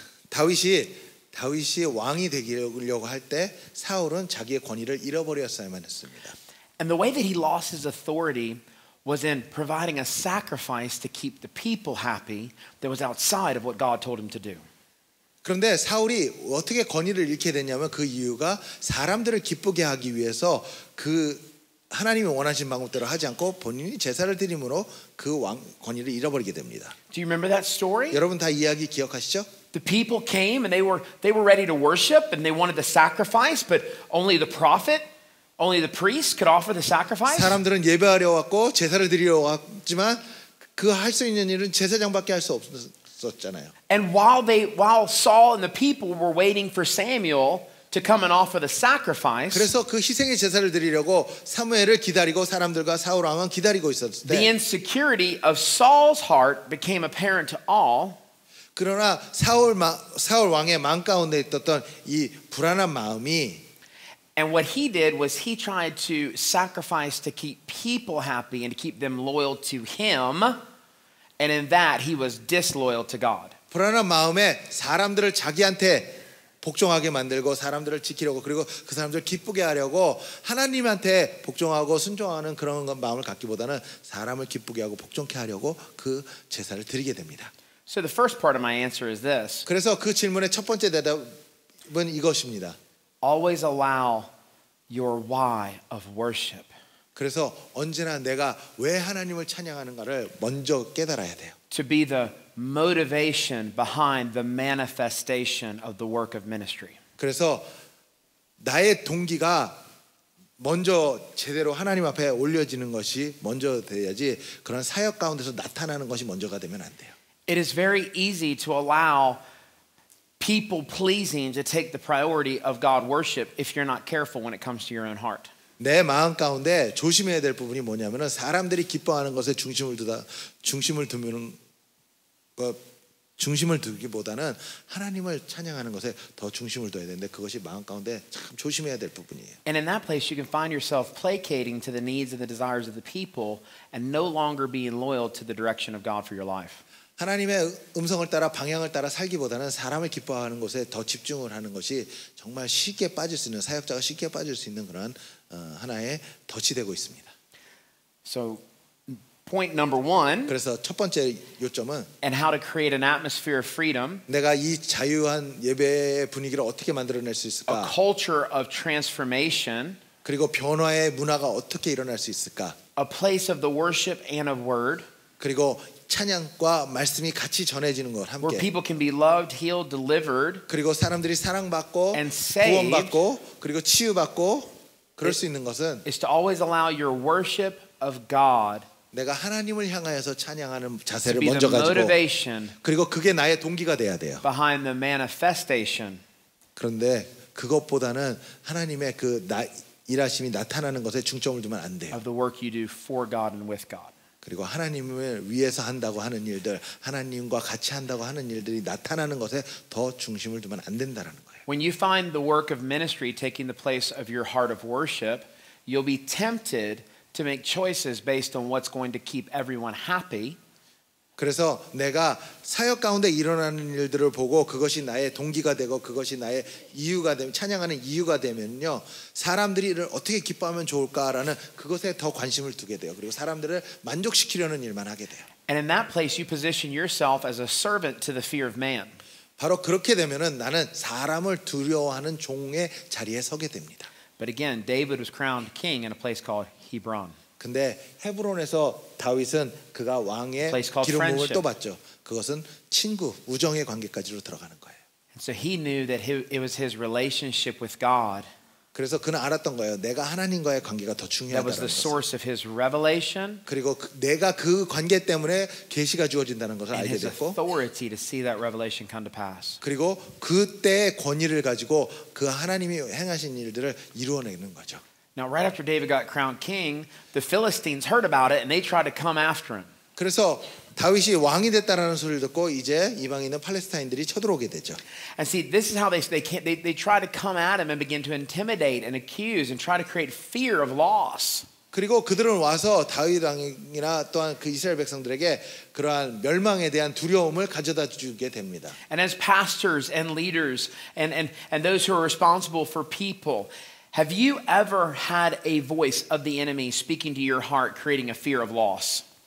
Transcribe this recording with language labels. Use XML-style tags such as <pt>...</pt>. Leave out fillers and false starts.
<ko>다윗이 왕이 되려고 할 때 사울은 자기의 권위를 잃어버렸어야만 했습니다.</ko> <en>And the way that he lost his authority was in providing a sacrifice to keep the people happy that was outside of what God told him to do.</en> <ko>그런데 사울이 어떻게 권위를 잃게 됐냐면 그 이유가 사람들을 기쁘게 하기 위해서 그 하나님이 원하신 방법대로 하지 않고 본인이 제사를 드림으로 그 왕 권위를 잃어버리게 됩니다.</ko> <en>Do you remember that story?</en> <ko>여러분 다 이야기 기억하시죠?</ko> <en>The people came and they were ready to worship and they wanted the sacrifice but only the prophet, only the priest could offer the sacrifice.</en> <ko>사람들은 예배하려 왔고 제사를 드리려 왔지만 그 할 수 있는 일은 제사장밖에 할 수 없었어요.</ko> <en>And while Saul and the people were waiting for Samuel to come and offer the sacrifice,</en> <ko>그래서 그 희생의 제사를 드리려고 사무엘을 기다리고 사람들과 사울 왕은 기다리고 있었을 때,</ko> <en>the insecurity of Saul's heart became apparent to all.</en> <ko>그러나 사울 왕의 마음 가운데 있었던 이 불안한 마음이,</ko> <en>and what he did was he tried to sacrifice to keep people happy and to keep them loyal to him. And in that, he was disloyal to God.</en> <ko>불안한 마음에 사람들을 자기한테 복종하게 만들고 사람들을 지키려고 그리고 그 사람들을 기쁘게 하려고 하나님한테 복종하고 순종하는 그런 마음을 갖기보다는 사람을 기쁘게 하고 복종케 하려고 그 제사를 드리게 됩니다.</ko> <en>So the first part of my answer is this.</en> <ko>그래서 그 질문의 첫 번째 대답은 이것입니다.</ko> <en>Always allow your why of worship.</en> <ko>그래서 언제나 내가 왜 하나님을 찬양하는가를 먼저 깨달아야 돼요.</ko> <en>To be the motivation behind the manifestation of the work of ministry.</en> <ko>그래서 나의 동기가 먼저 제대로 하나님 앞에 올려지는 것이 먼저 돼야지 그런 사역 가운데서 나타나는 것이 먼저가 되면 안 돼요.</ko> <en>It is very easy to allow people pleasing to take the priority of God worship if you're not careful when it comes to your own heart.</en> <ko>내 마음 가운데 조심해야 될 부분이 뭐냐면은 사람들이 기뻐하는 것에 중심을 두기보다는 하나님을 찬양하는 것에 더 중심을 둬야 되는데 그것이 마음 가운데 참 조심해야 될 부분이에요.</ko> <en>And in that place you can find yourself placating to the needs and the desires of the people and no longer being loyal to the direction of God for your life.</en> <ko>하나님의 음성을 따라 방향을 따라 살기보다는 사람을 기뻐하는 것에 더 집중을 하는 것이 정말 쉽게 빠질 수 있는 사역자가 쉽게 빠질 수 있는 그런 하나의 덫이 되고 있습니다.</ko> <en>So point number one.</en> <ko>그래서 첫 번째 요점은</ko> <en>and how to create an atmosphere of freedom.</en> <ko>내가 이 자유한 예배의 분위기를 어떻게 만들어낼 수 있을까?</ko> <en>A culture of transformation.</en> <ko>그리고 변화의 문화가 어떻게 일어날 수 있을까?</ko> <en>A place of the worship and of word.</en> <ko>그리고 찬양과 말씀이 같이 전해지는 것 함께.</ko> <en>Where people can be loved, healed, delivered.</en> <ko>그리고 사람들이 사랑받고</ko> <en>and saved,</en> <ko>구원받고 그리고 치유받고 그럴 수 있는 것은</ko> <en>is to always allow your worship of God.</en> <ko>내가 하나님을 향하여서 찬양하는 자세를 먼저 가지고 그리고 그게 나의 동기가 돼야 돼요.</ko> <en>Behind the manifestation.</en> <ko>그런데 그것보다는 하나님의 그 일하심이 나타나는 것에 중점을 두면 안 돼요.</ko> <en>Of the work you do for God and with God.</en> <ko>그리고 하나님을 위해서 한다고 하는 일들, 하나님과 같이 한다고 하는 일들이 나타나는 것에 더 중심을 두면 안 된다라는 거예요.</ko> <en>When you find the work of ministry taking the place of your heart of worship, you'll be tempted to make choices based on what's going to keep everyone happy.</en> <ko>그래서 내가 사역 가운데 일어나는 일들을 보고 그것이 나의 동기가 되고 그것이 나의 이유가 되면 찬양하는 이유가 되면요 사람들이 이를 어떻게 기뻐하면 좋을까라는 그것에 더 관심을 두게 돼요. 그리고 사람들을 만족시키려는 일만 하게 돼요.</ko> <en>And in that place, you position yourself as a servant to the fear of man.</en> <ko>바로 그렇게 되면은 나는 사람을 두려워하는 종의 자리에 서게 됩니다.</ko> <en>But again, David was crowned king in a place called Hebron.</en> <ko>근데 헤브론에서 다윗은 그가 왕의 기름부음을 또 받죠. 그것은 친구, 우정의 관계까지로 들어가는 거예요.</ko> <en>And so he knew that it was his relationship with God.</en> <ko>그래서 그는 알았던 거예요. 내가 하나님과의 관계가 더 중요하다는 것.</ko> <en>That was the source of his revelation.</en> <ko>그리고 내가 그 관계 때문에 계시가 주어진다는 것을 알게 됐고.</ko> <en>And his authority to see that revelation come to pass.</en> <ko>그리고 그때 권위를 가지고 그 하나님이 행하신 일들을 이루어내는 거죠.</ko> <en>Now, right after David got crowned king, the Philistines heard about it and they tried to come after him.</en> <ko>그래서 다윗이 왕이 됐다라는 소리를 듣고 이제 이방인은 팔레스타인들이 쳐들어오게 되죠.</ko> <en>And see, this is how they try to come at him and begin to intimidate and accuse and try to create fear of loss.</en> <ko>그리고 그들은 와서 다윗 왕이나 또한 그 이스라엘 백성들에게 그러한 멸망에 대한 두려움을 가져다 주게 됩니다.</ko> <en>And as pastors and leaders and those who are responsible for people, have you ever had a voice of the enemy speaking to your heart, creating a fear of loss?</en>